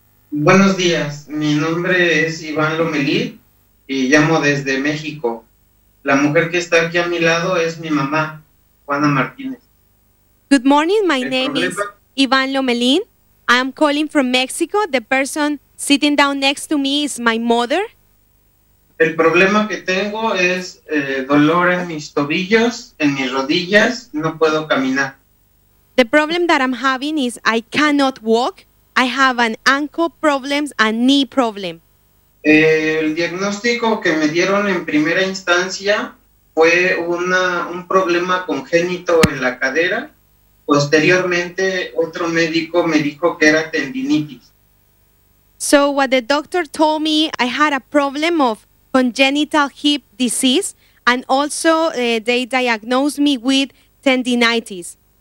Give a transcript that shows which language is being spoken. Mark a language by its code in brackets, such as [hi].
[es] Buenos días, mi nombre es Iván Lomelí y llamo desde México. La mujer que está aquí a mi lado es mi mamá, Juana Martínez. [en] Good morning, my [es] El [en] name [es] problema. [en] is Iván Lomelín. I am calling from Mexico. The person sitting down next to me is my mother. [es] El problema que tengo es dolor en mis tobillos, en mis rodillas, no puedo caminar. [en] The problem that I'm having is I cannot walk. I have an ankle problem, a knee problem. [es] El diagnóstico que me dieron en primera instancia fue un problema congénito en la cadera. Posteriormente, otro médico me dijo que era tendinitis. [en] So what the doctor told me, I had a problem of congenital hip disease, and also they diagnosed me with tendinitis.